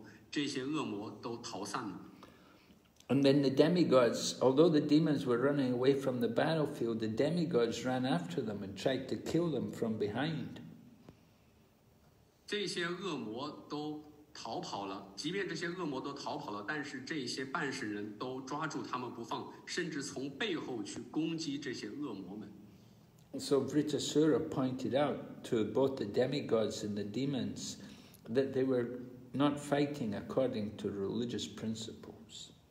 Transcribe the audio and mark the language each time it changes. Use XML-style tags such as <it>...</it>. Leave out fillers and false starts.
<zh>当那些恶魔看到Indra，他们以及那些半世人对他们所持有的这个武器感觉到非常有信心的时候，这些恶魔都逃散了。</zh> <en>And then the demigods, although the demons were running away from the battlefield, the demigods ran after them and tried to kill them from behind.</en> <zh>这些恶魔都逃跑了，即便这些恶魔都逃跑了，但是这些半神人都抓住他们不放，甚至从背后去攻击这些恶魔们。</zh> <en>So Vritasura pointed out to both the demigods and the demons that they were not fighting according to religious principles.</en>